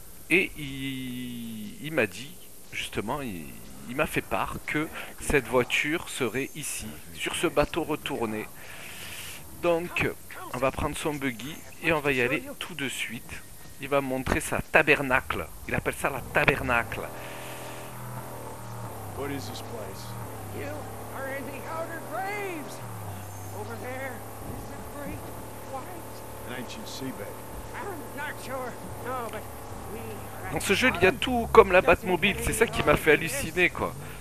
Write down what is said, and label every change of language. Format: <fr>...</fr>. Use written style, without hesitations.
<fr>Et il m'a dit, justement, il m'a fait part que cette voiture serait ici, sur ce bateau retourné. Donc, on va prendre son buggy et on va y aller tout de suite. Il va montrer sa tabernacle. Il appelle ça la tabernacle.</fr> <en>What is this place? You are in the outer graves. Over there is the great white. An ancient seabed. I'm not sure. No, but we.</en> <fr>Dans ce jeu, il y a tout comme la Batmobile. C'est ça qui m'a fait halluciner, quoi.</fr>